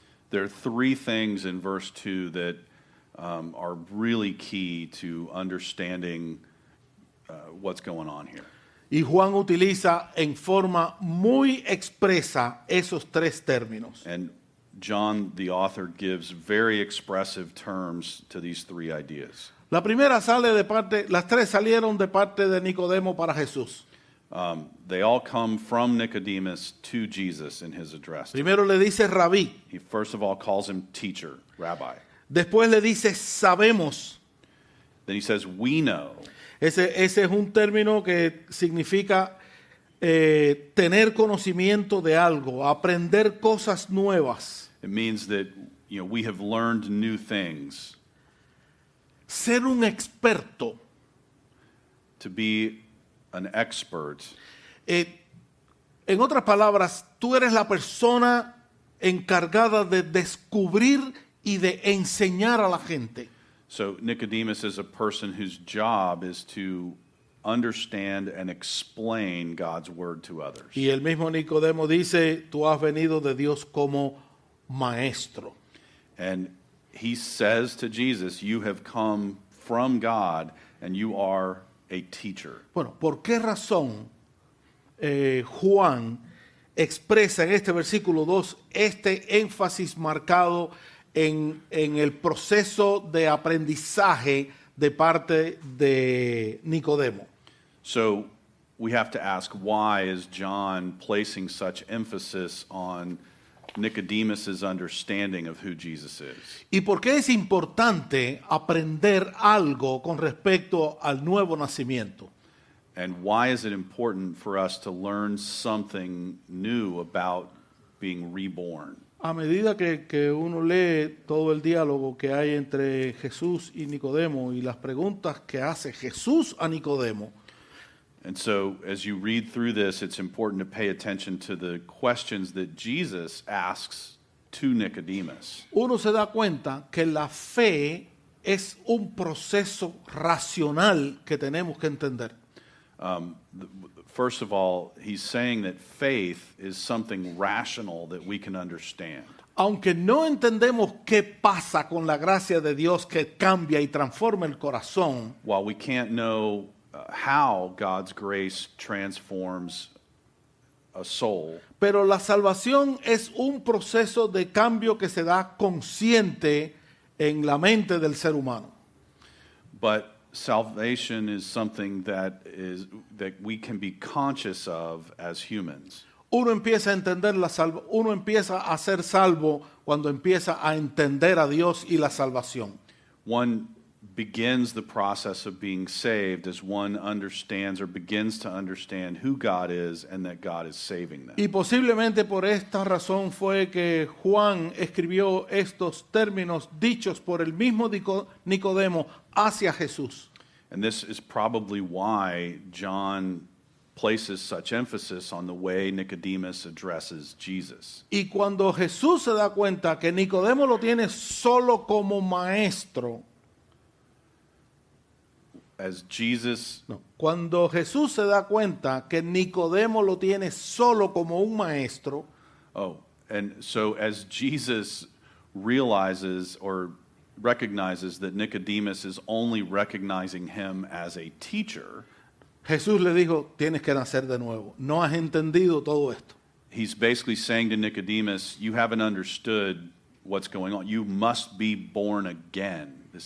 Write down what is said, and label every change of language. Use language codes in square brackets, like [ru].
[en] There are three things in verse 2 that are really key to understanding what's going on here. [es] Y Juan utiliza en forma muy expresa esos tres términos. [en] And John, the author, gives very expressive terms to these three ideas. [es] La primera sale de parte, las tres salieron de parte de Nicodemo para Jesús. [en] They all come from Nicodemus to Jesus in his address. [es] Primero le dice Rabí. [en] He first of all calls him teacher, rabbi. [es] Después le dice sabemos. [en] Then he says we know. [es] Ese es un término que significa tener conocimiento de algo, aprender cosas nuevas. [en] It means that, you know, we have learned new things. [es] Ser un experto. [en] To be an expert. [es] En otras palabras, tú eres la persona encargada de descubrir y de enseñar a la gente. [en] So Nicodemus is a person whose job is to understand and explain God's word to others. [es] Y el mismo Nicodemo dice, tú has venido de Dios como maestro. [en] And he says to Jesus, you have come from God and you are a teacher. [es] Bueno, ¿por qué razón Juan expresa en este versículo 2 este énfasis marcado en el proceso de aprendizaje de parte de Nicodemo? [en] So we have to ask, why is John placing such emphasis on Nicodemus's understanding of who Jesus is? [es] ¿Y por qué es importante aprender algo con respecto al nuevo nacimiento? [en] And why is it important for us to learn something new about being reborn? [es] A medida que uno lee todo el diálogo que hay entre Jesús y Nicodemo y las preguntas que hace Jesús a Nicodemo. [en] And so, as you read through this, it's important to pay attention to the questions that Jesus asks to Nicodemus. [es] Uno se da cuenta que la fe es un proceso racional que tenemos que entender. [en] First of all, he's saying that faith is something rational that we can understand. [es] Aunque no entendemos qué pasa con la gracia de Dios que cambia y transforma el corazón, [en] while we can't know how God's grace transforms a soul, [es] pero la salvación es un proceso de cambio que se da consciente en la mente del ser humano. [en] But salvation is something that is that we can be conscious of as humans. [es] Uno empieza a entender la uno empieza a ser salvo cuando empieza a entender a Dios y la salvación. [en] One begins the process of being saved as one understands or begins to understand who God is and that God is saving them. [es] Y posiblemente por esta razón fue que Juan escribió estos términos dichos por el mismo Nicodemo hacia Jesús. [en] And this is probably why John places such emphasis on the way Nicodemus addresses Jesus. [es] Y cuando Jesús se da cuenta que Nicodemo lo tiene solo como maestro, [en] as Jesus, [es] no, cuando Jesús se da cuenta que Nicodemo lo tiene solo como un maestro, [en] oh, and so as Jesus realizes or recognizes that Nicodemus is only recognizing him as a teacher, [es] Jesús le dijo, tienes que nacer de nuevo. No has entendido todo esto. [en] He's basically saying to Nicodemus, you haven't understood what's going on. You must be born again.